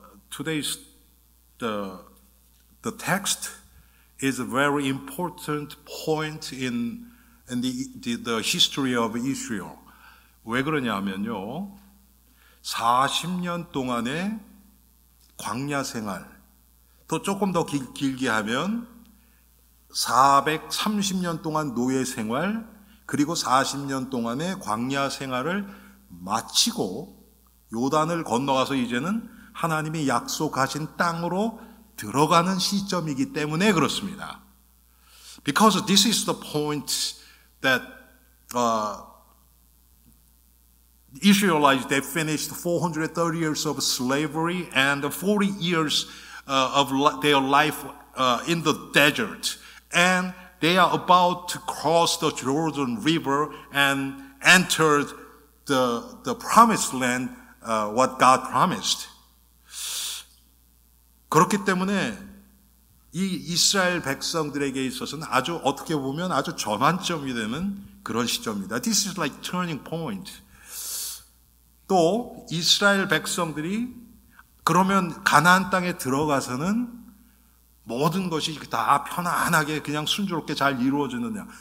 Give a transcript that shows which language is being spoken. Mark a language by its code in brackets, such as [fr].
[en] Today's the text is a very important point in the history of Israel. [ko] 왜 그러냐면요, 40년 동안의 광야 생활, 또 조금 더 길게 하면 430년 동안 노예 생활, 그리고 40년 동안의 광야 생활을 마치고 요단을 건너가서 이제는 하나님이 약속하신 땅으로 들어가는 시점이기 때문에 그렇습니다. [en] Because this is the point that Israelites, they finished 430 years of slavery and 40 years of their life in the desert. And they are about to cross the Jordan River and enter the promised land, what God promised. [ko] 그렇기 때문에 이 이스라엘 백성들에게 있어서는 아주 어떻게 보면 아주 전환점이 되는 그런 시점입니다. [en] This is like turning point. [ko] 또 이스라엘 백성들이 그러면 가나안 땅에 들어가서는 모든 것이 다 편안하게 그냥 순조롭게 잘 이루어지느냐?